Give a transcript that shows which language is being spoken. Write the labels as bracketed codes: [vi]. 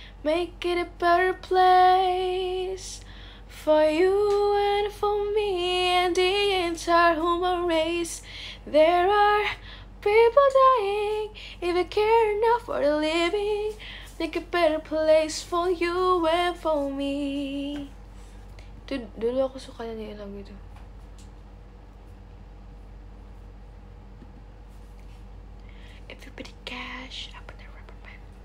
[en] Make it a better place for you and for me and the entire human race. There are people dying. If you care enough for the living, make a better place for you and for me. [id] Itu dulu aku suka nyanyiin lagu itu. [en] Everybody cash up in the rubber band.